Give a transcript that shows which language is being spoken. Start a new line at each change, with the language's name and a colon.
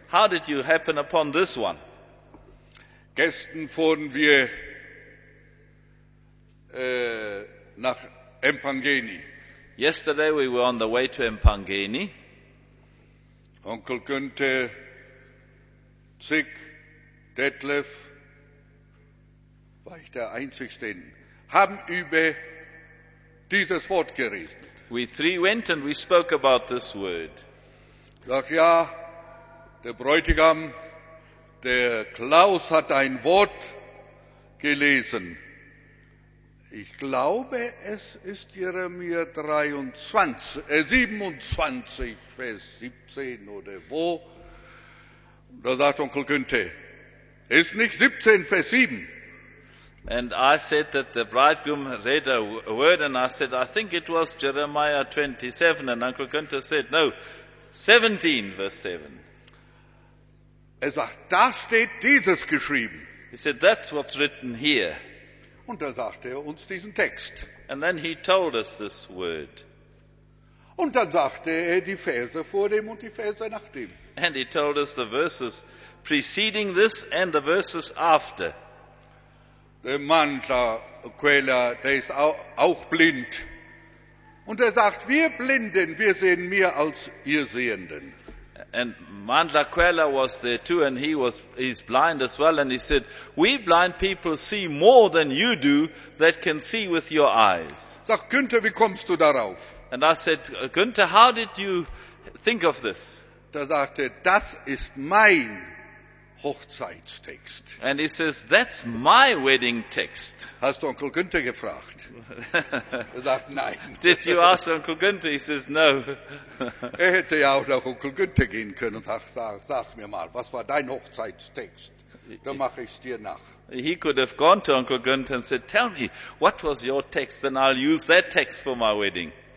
English: How did you happen upon this one?
German: Gestern fuhren wir nach Empangeni.
English: Yesterday we were on the way to Empangeni.
German: Onkel Günther, Zick, Detlef, war ich der Einzige, haben über dieses Wort geredet.
English: We three went and we spoke about this word.
German: Sag, ja, der Bräutigam, der Klaus hat ein Wort gelesen. Ich glaube, es ist Jeremia 27, Vers 17 oder wo. Da sagt Onkel Günther, ist nicht 17, Vers 7.
English: And I said that the bridegroom read a word, and I said, I think it was Jeremiah 27. And Uncle Günther said, no, 17, Vers 7.
German: Er sagt, da steht dieses geschrieben.
English: He said, that's what's written here.
German: Und da sagte er uns diesen Text.
English: And then he told us this word.
German: Und dann sagte er die Verse vor dem und die Verse nach dem.
English: And he told us the verses preceding this and the verses after.
German: Der Mann, der ist auch blind. Und er sagt, wir Blinden, wir sehen mehr als ihr Sehenden.
English: And Mandla Kwela was there too, and he's blind as well, and he said, we blind people see more than you do that can see with your eyes.
German: Sag Günther, wie kommst du darauf?
English: And I said, Günther, how did you think of this?
German: Da sagte, das ist mein Hochzeitstext.
English: And he says, that's my wedding text.
German: Hast du Onkel Günther gefragt? Er sagt, nein.
English: Did you ask Onkel Günther? He says, no.
German: Er hätte ja auch nach Onkel Günther gehen können und sag mir mal, was war dein Hochzeitstext? Dann mache ich es dir nach.
English: He could have gone to Onkel Günther and said, tell me, what was your text? Then I'll use that text for my wedding.